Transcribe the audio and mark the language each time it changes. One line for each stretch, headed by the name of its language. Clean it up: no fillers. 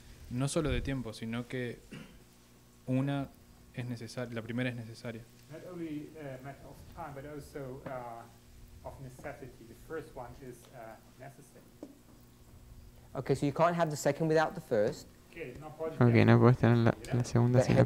Spanish: No solo de tiempo, sino que una es necesaria, la primera es necesaria.
English: Not only matter of time, but also of necessity. The first one is necessary. Okay, so you can't have the second without the first.
Spanish: Okay, no puedes tener la segunda sin la primera.